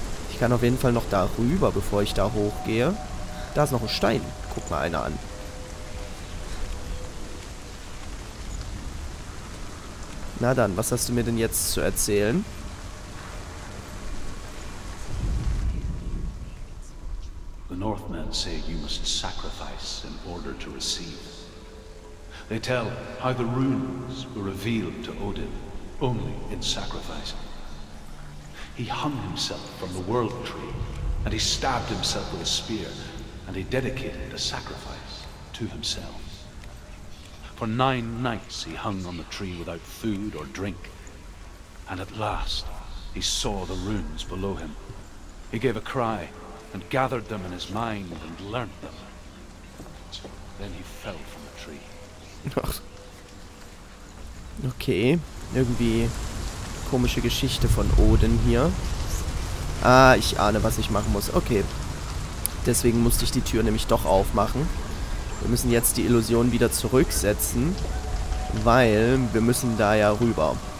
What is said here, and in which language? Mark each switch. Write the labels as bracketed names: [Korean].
[German] Ich kann auf jeden Fall noch darüber, bevor ich da hochgehe. Da ist noch ein Stein. Guck mal einer an. Na dann, was hast du mir denn jetzt zu erzählen? [English] The Northmen say you must sacrifice in order to receive. They tell how the runes were revealed to Odin only in sacrifice. He hung himself from the world tree and he stabbed himself with a spear and he dedicated a sacrifice to himself. For 9 nights he hung on the tree without food or drink. And at last, he saw the runes below him. He gave a cry and gathered them in his mind and learnt them. Then he fell from the tree. [German] Okay, irgendwie komische Geschichte von Odin hier. Ah, ich ahne, was ich machen muss. Okay, deswegen musste ich die Tür nämlich doch aufmachen. Wir müssen jetzt die Illusion wieder zurücksetzen, weil wir müssen da ja rüber.